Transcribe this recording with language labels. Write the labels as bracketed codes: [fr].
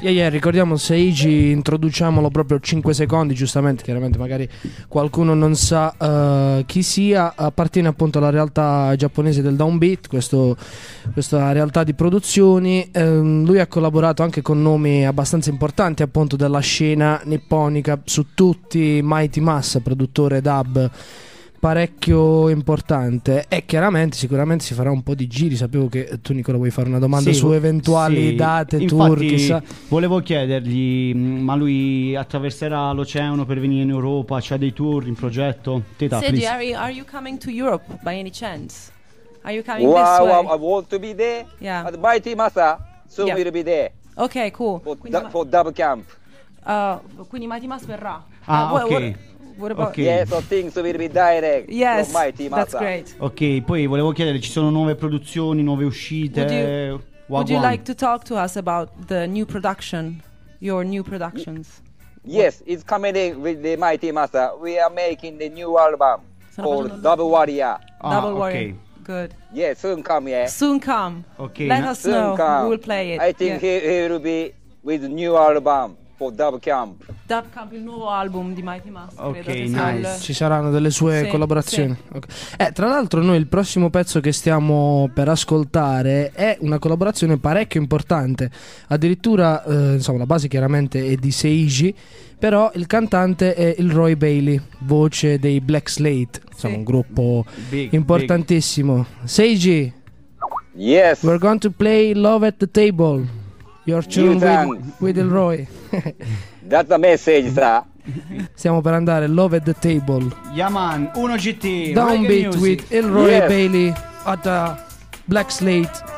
[it] Yeah, yeah, ricordiamo Seiji, introduciamolo proprio 5 secondi, giustamente, chiaramente magari qualcuno non sa chi sia, appartiene appunto alla realtà giapponese del Downbeat, questa realtà di produzioni, lui ha collaborato anche con nomi abbastanza importanti appunto della scena nipponica, su tutti, Mighty Mass, produttore dub parecchio importante e chiaramente sicuramente si farà un po' di giri. Sapevo che tu Nicola vuoi fare una domanda sì, su eventuali sì. date infatti, tour chissà. Volevo chiedergli ma lui attraverserà l'oceano per venire in Europa, c'ha dei tour in progetto? Teta, [en] Seiji, are you coming to Europe by any chance? Are you coming wow, this way? I want to be there. Yeah. At Mighty Mass so yeah. We'll be there. Okay, cool. For double camp. [it] Quindi Mighty Mass verrà. Ah, ok. [en] What about okay. Yes, so things will be direct. Yes, from Mighty Mass. That's great. [it] Ok, poi volevo chiedere, ci sono nuove produzioni, nuove uscite? [en] Would you like to talk to us about the new production, your new productions? Yes, it's coming in with the Mighty Mass. We are making the new album called Double Warrior. Double Warrior. Okay. Good. Yeah, soon come, yeah. Soon come. Okay. Let us know. We will play it. I think he will be with new album. for Dub Camp. [it] Dub Camp, il nuovo album di Mighty Mouse. Ok, credo, [en] nice. [it] Il... ci saranno delle sue collaborazioni. Okay. Tra l'altro, noi il prossimo pezzo che stiamo per ascoltare è una collaborazione parecchio importante. Addirittura, insomma, la base chiaramente è di Seiji. Però il cantante è il Roy Bailey, voce dei Black Slate, insomma, un gruppo importantissimo. Seiji. [en] Yes. We're going to play Love at the Table. Your children with El Roy. That's a message, sir. [it] Stiamo per andare Love at the Table. [en] Yaman, 1GT. Downbeat with El Roy Bailey at the Black Slate.